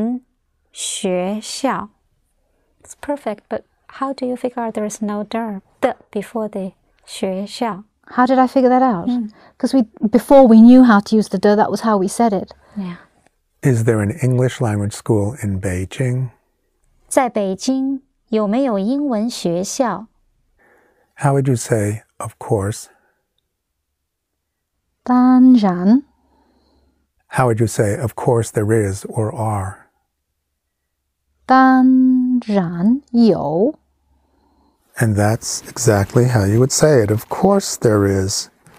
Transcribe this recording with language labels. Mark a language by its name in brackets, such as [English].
[Chinese] 在北京有没有英文学校? [English] It's perfect, but how do you figure out there is no verb the before the 学校? How did I figure that out? Because before we knew how to use the de, that was how we said it. Yeah. Is there an English language school in Beijing? [Chinese] 在北京有没有英文学校? [English] How would you say, of course? [Chinese] 当然. [English] How would you say, of course there is or are? [Chinese] 当然有. [English] And that's exactly how you would say it. Of course there is.